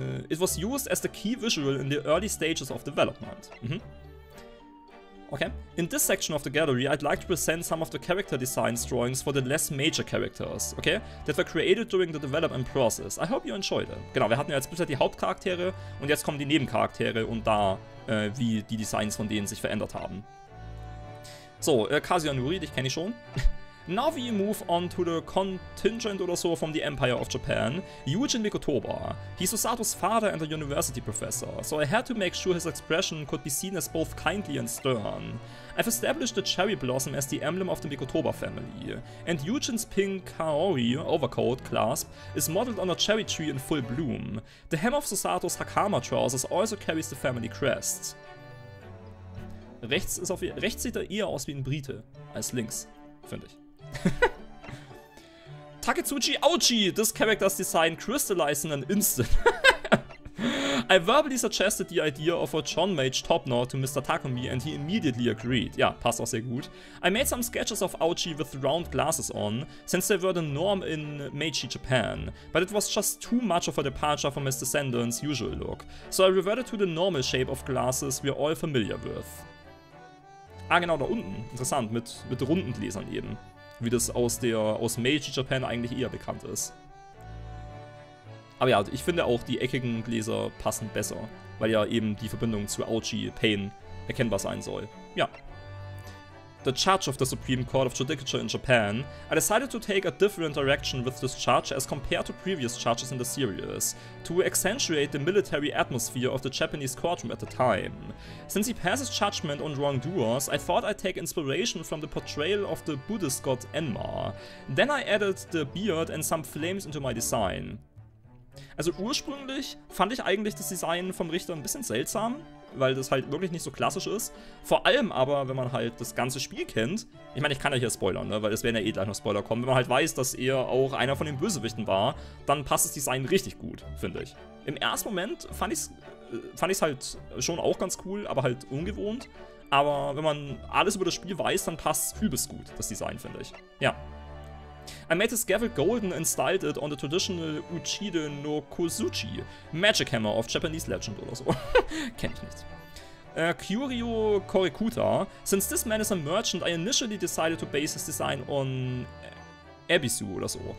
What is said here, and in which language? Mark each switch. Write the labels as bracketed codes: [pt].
[en] It was used as the key visual in the early stages of development. Okay. In this section of the gallery, I'd like to present some of the character design drawings for the less major characters, okay? That were created during the development process. I hope you enjoyed it. [de] Genau, wir hatten ja jetzt bisher die Hauptcharaktere und jetzt kommen die Nebencharaktere und da, wie die Designs von denen sich verändert haben. [en] So, Kazuya Nuri, [de] dich kenne ich schon. [en] Now we move on to the contingent [de] oder so [en] from the Empire of Japan, Yujin Mikotoba. He's Susato's father and a university professor, so I had to make sure his expression could be seen as both kindly and stern. I've established the cherry blossom as the emblem of the Mikotoba family, and Yujin's pink kaori overcoat clasp is modeled on a cherry tree in full bloom. The hem of Susato's Hakama trousers also carries the family crest. [de] Rechts sieht er eher aus wie ein Brite als links, finde ich. [en] Taketsuji Auchi, this character's design crystallized in an instant. I verbally suggested the idea of a John-Mage Topknot to Mr. Takumi and he immediately agreed. [de] Ja, passt auch sehr gut. [en] I made some sketches of Auchi with round glasses on, since they were the norm in Meiji Japan, but it was just too much of a departure from his descendants' usual look. So I reverted to the normal shape of glasses we're all familiar with. [de] Ah, genau, da unten. Interessant, mit runden Gläsern eben. Wie das aus Meiji Japan eigentlich eher bekannt ist. Aber ja, ich finde auch, die eckigen Gläser passen besser, weil ja eben die Verbindung zu Auchi Pain erkennbar sein soll. Ja. [en] The Judge of the Supreme Court of Judicature in Japan. I decided to take a different direction with this judge as compared to previous judges in the series, to accentuate the military atmosphere of the Japanese courtroom at the time. Since he passes judgment on wrongdoers, I thought I'd take inspiration from the portrayal of the Buddhist god Enma. Then I added the beard and some flames into my design. [de] Also ursprünglich fand ich eigentlich das Design vom Richter ein bisschen seltsam, weil das halt wirklich nicht so klassisch ist. Vor allem aber, wenn man halt das ganze Spiel kennt. Ich meine, ich kann ja hier spoilern, ne? Weil es werden ja eh gleich noch Spoiler kommen. Wenn man halt weiß, dass er auch einer von den Bösewichten war, dann passt das Design richtig gut, finde ich. Im ersten Moment fand ich's halt schon auch ganz cool, aber halt ungewohnt. Aber wenn man alles über das Spiel weiß, dann passt es übelst gut, das Design, finde ich. Ja. [en] I made this gavel golden and styled it on the traditional Uchide no Kozuchi, magic hammer of Japanese legend [de] oder so. Kenn ich nicht. [en] Kyurio Korikuta. Since this man is a merchant, I initially decided to base his design on Ebisu [de] oder so.